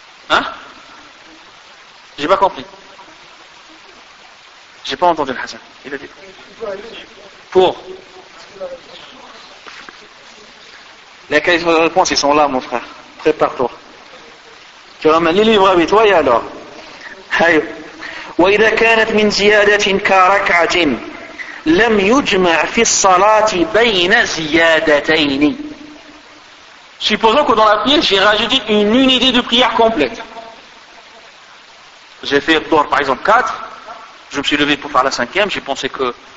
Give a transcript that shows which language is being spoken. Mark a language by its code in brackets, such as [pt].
[fr] Hein? J'ai pas compris. J'ai pas entendu le Hassan. Il a dit. Pour. Les questions de réponse, ils sont là, mon frère. Prépare-toi. Tu ramènes les livres avec toi et alors. Hey. [ar] وإذا كانت من زيادة كركعة لم يجمع في الصلاة بين زيادتين. [fr] Supposons que dans la prière, j'ai rajouté une unité de prière complète. J'ai fait par exemple 4, je me suis levé pour faire la 5e, j'ai pensé que